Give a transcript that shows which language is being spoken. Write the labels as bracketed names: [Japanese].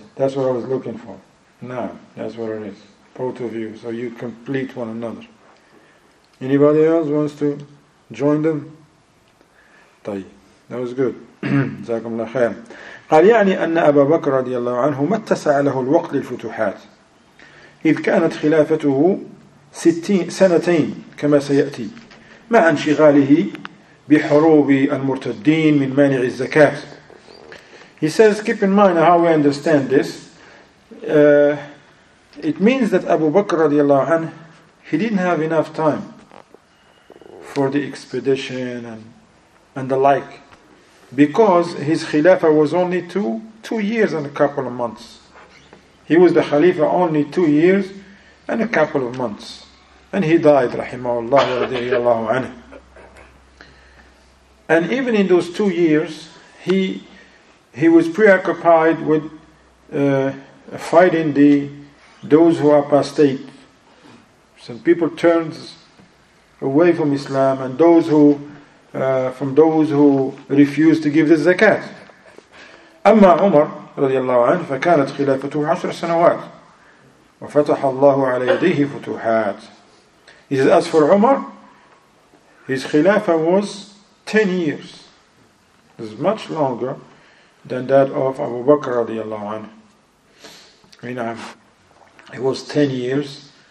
[English] That's what I was looking for. Now, that's what it is. Both of you, so you complete one another. Anybody else wants to join them? [Arabic] طيب. [English] That was good. [Arabic] جزاكم الله خير. قال يعني أن أبا بكر رضي الله عنه ما اتسع له الوقت للفتوحات إذ كانت خلافته 60 سنتين كما سيأتي مع انشغاله بحروب المرتدين من مانع الزكاة. [English] He says, keep in mind how we understand this. It means that Abu Bakr رضي الله عنه, he didn't have enough time for the expedition and the like, because his khilafah was only two years and a couple of months. He was the khalifa only 2 years and a couple of months, and he died, rahimahullah wa radiyallahu anhu. And even in those 2 years, he was preoccupied with fighting those who are apostate. Some people turned away from Islam, and those who from those who refuse to give the zakat. [Arabic] أما عمر رضي الله عنه فكانت خلافته 10 سنوات وفتح الله على يديه فتوحات. [English] He says, as for Umar, his khilafah was 10 years. It's much longer than that of Abu Bakr رضي الله عنه. It was 10 years.